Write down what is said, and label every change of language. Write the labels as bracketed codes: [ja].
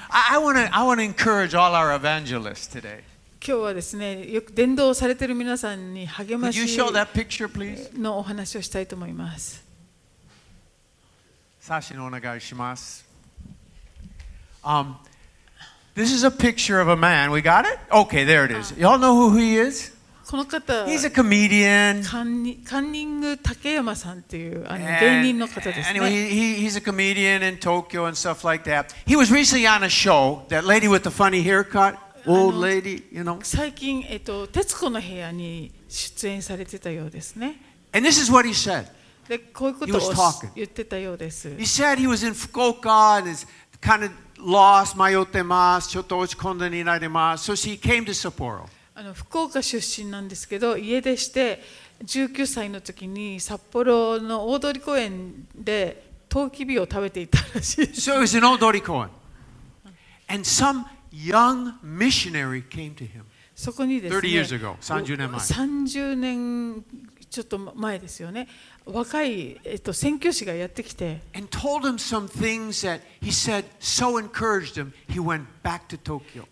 [en] I want to encourage all our evangelists today. [ja] 今日はですね、よく伝道されている皆さんに励ましのお話をしたいと思います。サシのお願いします。 [en] This is a picture of a man. We got it? Okay, there it is. Y'all know who he is? [ja] この方、 [en] He's a comedian. [ja] カンニング竹山さんという芸人の方ですね。 [en] Anyway, he's a comedian in Tokyo and stuff like that. He was recently on a show, that lady with the funny haircut. Old lady, you know. [ja] 最近、徹子の部屋に出演されてたようですね。 [en] And this is what he said. [ja] で、こういうことを言ってたようです。 [en] He said he was in Fukuoka and is kind of lost, [ja] 迷ってます、ちょっと落ち込んでになります。 [en] So she came to Sapporo. [ja] 福岡出身なんですけど、家出して19歳の時に札幌の大通公園でトウキビを食べていたらしい。 [en] So it was an 大通公園。And someYoung missionary came to him. [ja] そこにですね、 [en] 30 years ago, [ja] 30年前。 30年ちょっと前ですよね。若い、宣教師がやってきて。 [en] And told him some things that he said so encouraged him, he went back to Tokyo.